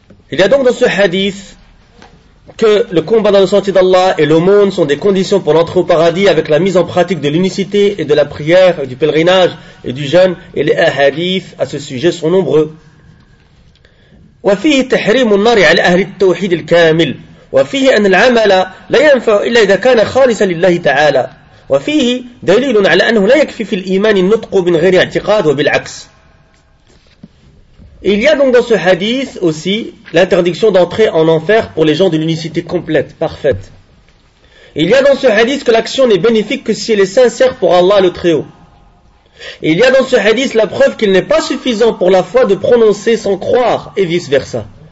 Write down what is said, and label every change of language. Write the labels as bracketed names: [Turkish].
[French] Il y a donc dans ce hadith que le combat dans le sentier d'Allah et l'aumône sont des conditions pour l'entrée au paradis avec la mise en pratique de l'unicité et de la prière, du pèlerinage et du jeûne. Et les hadiths à ce sujet sont nombreux. [Arabic] وَفِيهِ تَحْرِيمُ النَّارِ عَلَى أَهْلِ التَّوْحِيدِ الْكَامِلِ وَفِيهِ أَنَ الْعَمَلَ لَا يَنْفَعُ إِلَّا إِذَا كَانَ خَالِصًا لِلَّهِ تَعَالَى وفيه دليل على أنه لا يكفي في الإيمان النطق من غير اعتقاد وبالعكس. [French] Il y a donc dans ce hadith aussi l'interdiction d'entrer en enfer pour les gens de l'unicité complète, parfaite. Il y a dans ce hadith que l'action n'est bénéfique que si elle est sincère pour Allah le Très-Haut. Il y a dans ce hadith la preuve qu'il n'est pas suffisant pour la foi de prononcer sans croire et vice-versa.